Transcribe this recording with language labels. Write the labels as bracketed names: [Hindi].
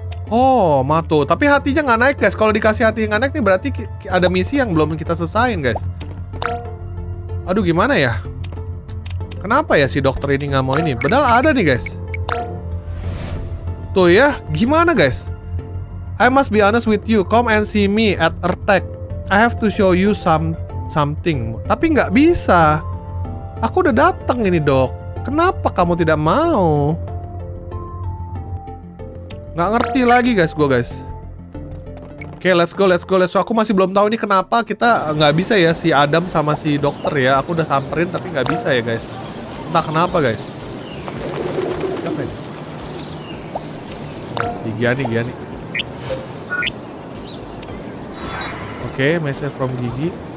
[Indonesian] Oh, mato. Tapi hatinya nggak naik, guys. Kalau dikasih hati yang naik nih berarti ada misi yang belum kita selesain, guys. Aduh, gimana ya? Kenapa ya si dokter ini nggak mau ini? Padahal ada nih, guys. Tuh ya, gimana, guys? [English] I must be honest with you. Come and see me at Ertek. I have to show you something. [Indonesian] Tapi nggak bisa. Aku udah datang ini, dok. Kenapa kamu tidak mau? Nggak ngerti lagi, guys, gue, guys. [English] Oke, let's go. [Indonesian] Aku masih belum tahu ini kenapa kita nggak bisa ya, si Adam sama si dokter ya. Aku udah samperin, tapi nggak bisa ya, guys. Entah kenapa, guys. Siapa ini? [English] Si Gianni. Oke, okay, message from Gigi.